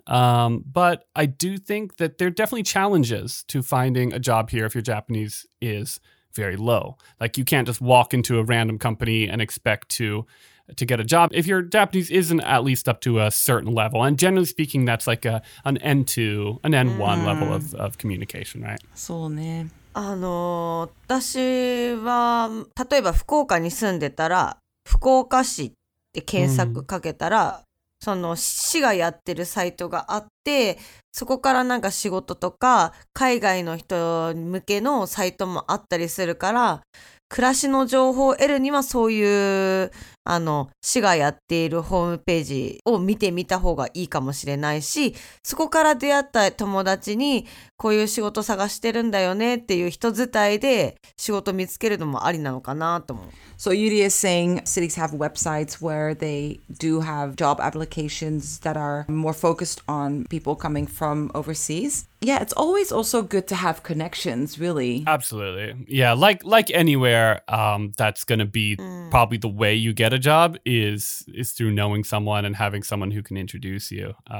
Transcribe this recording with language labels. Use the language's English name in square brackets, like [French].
[English] But I do think that there are definitely challenges to finding a job here if your Japanese is very low. Like, you can't just walk into a random company and expect to get a job if your Japanese isn't at least up to a certain level. And generally speaking, that's like an N2, an N1 level of communication, right? [Japanese] そうね。私は、例えば福岡に住んでたら、福岡市って検索かけたら、その市がやってるサイトがあって、そこからなんか仕事とか海外の人向けのサイトもあったりするから、暮らしの情報を得るにはそういう市がやっているホームページを見てみた方がいいかもしれないし、そこから出会った友達にこういう仕事探してるんだよねっていう人伝いで仕事見つけるのもありなのかなと思う。 [English] So Yuri is saying cities have websites where they do have job applications that are more focused on people coming from overseas. Yeah, it's always also good to have connections, really. Absolutely. Yeah, like anywhere, that's gonna be probably the way you get a job is through knowing someone and having someone who can introduce you.